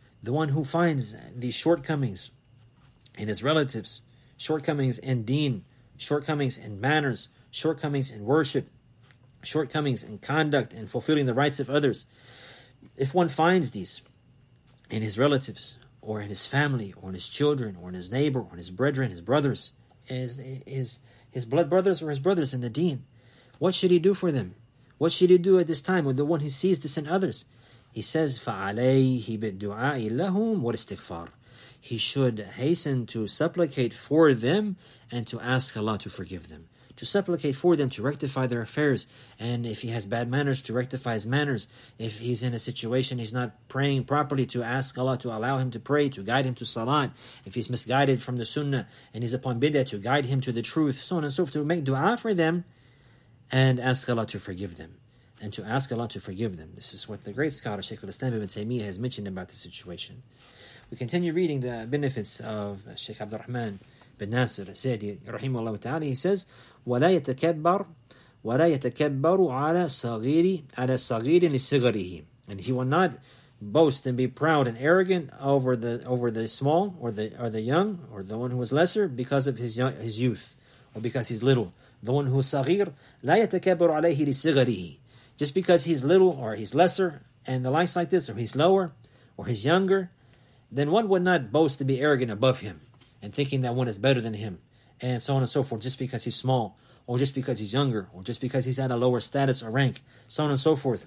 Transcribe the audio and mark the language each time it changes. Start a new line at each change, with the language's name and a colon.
English: The one who finds these shortcomings in his relatives, shortcomings in deen, shortcomings in manners, shortcomings in worship, shortcomings in conduct and fulfilling the rights of others, if one finds these in his relatives, or in his family, or in his children, or in his neighbor, or in his brethren, his brothers, his blood brothers or his brothers in the deen, what should he do for them? What should he do at this time with the one who sees this in others? He says,
Arabic: فَعَلَيْهِ بِالدُّعَاءِ لَهُمْ وَالْإِسْتِغْفَارِ.
English: He should hasten to supplicate for them and to ask Allah to forgive them. To supplicate for them, to rectify their affairs. And if he has bad manners, to rectify his manners. If he's in a situation he's not praying properly, to ask Allah to allow him to pray, to guide him to salat. If he's misguided from the sunnah and he's upon bid'ah, to guide him to the truth, so on and so forth. To make dua for them and ask Allah to forgive them. And to ask Allah to forgive them. This is what the great scholar Shaykh al-Islam Ibn Taymiyyah has mentioned about the situation. We continue reading the benefits of Shaykh Abdul Rahman bin Nasir Sa'di, rahimahullah ta'ala. He says,
Arabic: وَلَا يَتَكَبَّرُ عَلَى صَغِيرٍ لِصِغَرِهِ.
English: And he will not boast and be proud and arrogant over the small or the young or the one who is lesser because of his youth or because he's little. The one who is
Arabic: صغير, لَا يَتَكَبَّرُ عَلَيْهِ لِصِغَرِهِ.
English: Just because he's little or he's lesser and the likes like this, or he's lower or he's younger, then one would not boast to be arrogant above him and thinking that one is better than him. And so on and so forth, just because he's small, or just because he's younger, or just because he's at a lower status or rank, so on and so forth.